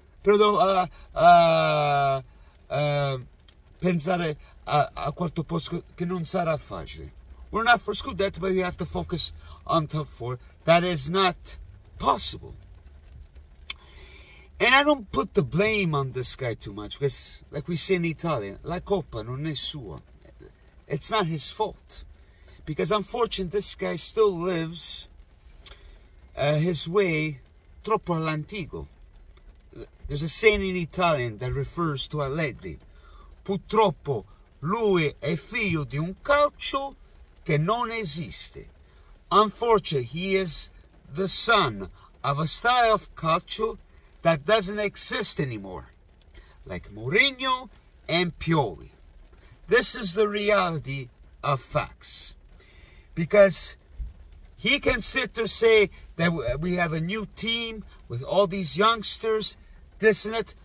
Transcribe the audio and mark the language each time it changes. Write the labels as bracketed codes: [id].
[it] Pensare a quarto posto che non sarà facile. [en] We're not for Scudetto, but we have to focus on top four. That is not possible. And I don't put the blame on this guy too much. Because, like we say in Italian, [it] la coppa non è sua. [en] It's not his fault. Because, unfortunately, this guy still lives... his way, [it] troppo all'antico. [en] There's a saying in Italian that refers to Allegri. [it] Purtroppo, lui è figlio di un calcio che non esiste. [en] Unfortunately, he is the son of a style of calcio that doesn't exist anymore. Like Mourinho and Pioli. This is the reality of facts. Because he can sit there and say, that we have a new team with all these youngsters, this and that.